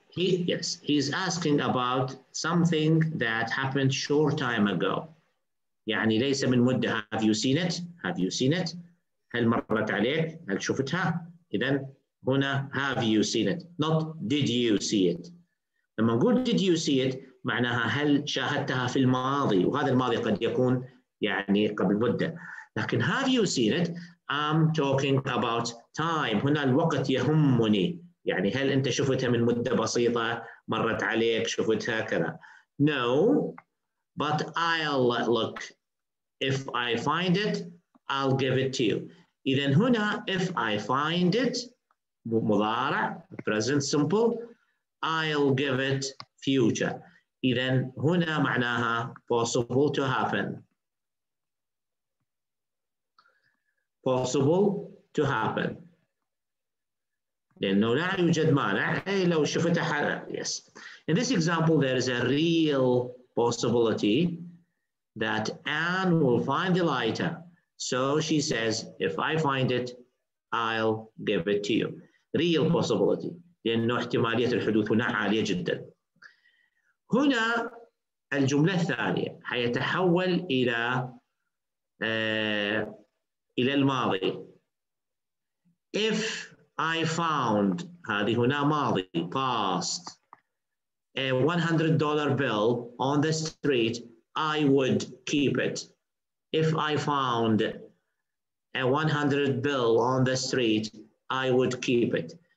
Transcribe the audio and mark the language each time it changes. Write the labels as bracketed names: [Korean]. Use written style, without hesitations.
[English] He's asking about something that happened short time ago. [Arabic] يعني ليس من مدة. [English] Have you seen it? Have you seen it? [Arabic] هل مرت عليك؟ هل شفتها؟ إذن هنا [English] have you seen it? Not did you see it? [Arabic] لما نقول [English] did you see it [Arabic] معناها هل شاهدتها في الماضي؟ وهذا الماضي قد يكون يعني قبل مدة. لكن [English] have you seen it? I'm talking about time. [Arabic] هنا الوقت يهمني. يعني هل أنت شفتها من مدة بسيطة مرت عليك شفتها كذا؟ [English] No, but I'll look. If I find it, I'll give it to you. [Arabic] إذن هنا [English] if I find it [Arabic] مضارع [English] present simple, I'll give it future. [Arabic] إذن هنا معناها [English] possible to happen. Possible to happen. [Arabic] لأنه لا يوجد مانع. أي لو شفتها حالا. Yes. [English] In this example, there is a real possibility that Anne will find the lighter. So she says, if I find it, I'll give it to you. Real possibility. [Arabic] لأنه احتمالية الحدوث هنا عالية جدا. هنا الجملة الثانية حيتحول إلى الماضي. [English] If I found, [Arabic] هذه هنا ماضي, [English] past, a $100 bill on the street, I would keep it. If I found a $100 bill on the street, I would keep it.